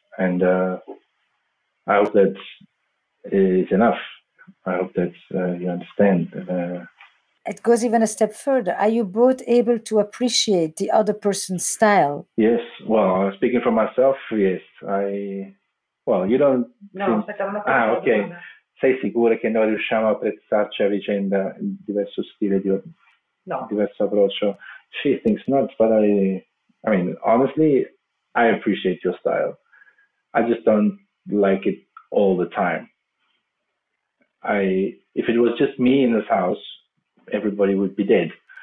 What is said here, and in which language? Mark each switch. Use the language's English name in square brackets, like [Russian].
[English] And I hope that is enough. I hope that you understand. It goes even a step further. Are you both able to appreciate the other person's style? Yes. Well, speaking for myself, yes. Okay. [Italian] Sei sicura che noi riusciamo a apprezzarci a vicenda in diverso stile di diverso approccio? [English] She thinks not, but I mean, honestly, I appreciate your style. I just don't like it all the time. If it was just me in this house, everybody would be dead.